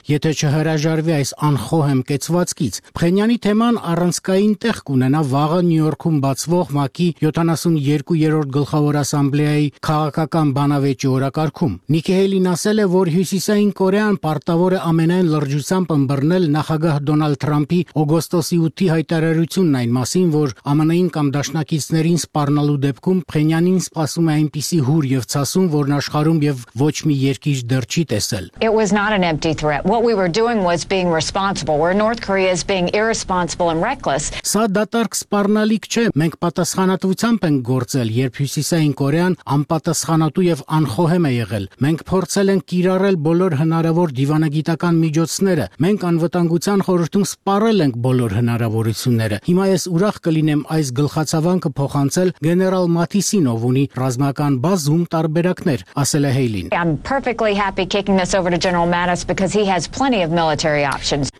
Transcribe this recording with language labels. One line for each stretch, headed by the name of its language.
Armenian: եթե չհրաժարվի այս անխոհեմ կեցվածքից։ Փխենյանի թեման առանցքային տեղ կունենա վաղը Նյու Յորքում բացվող ՄԱԿ-ի 72-րդ գլխավոր ասամբլեայի քաղաքական բանավեճի օրակարգում։ Նիքի Հեյլին ասել է, որ Հյուսիսային Կորեան պարտավոր է ամենայն լրջությամբ ըմբռնել նախագահ Դոնալդ Թրամփի օգոստոսի 8-ի հայտարարությունն այն մասին, որ ԱՄՆ-ին կամ դաշնակիցներին սպառնալու դեպքում Փենյանին սպասում է այնպիսի հուր և ցասում, որն աշխարհում և ոչ մի երկիր դեռ չի տեսել։
English: It was not an empty threat. What we were doing was being responsible, where North Korea is being irresponsible and reckless.
Armenian: Սա դատարկ սպառնալ չէ, մենք պատասխանատվությամբ ենք գործել, երբ Հյուսիսային Կորեան անպատասխանատու և անխոհեմ է եղել։ Մենք փորձել ենք կիրառել բոլոր հնարավոր դիվանագիտական միջոցները։ Մենք անվտանգության խորհրդում սպառել ենք բոլոր հնարավորությունները։ Հիմա ես ուրախ կլինեմ այս գլխացավանքը փոխանցել գեներալ Մաթիսին, ով ունի ռազմական բազում տարբերակներ, ասել է Հեյլին։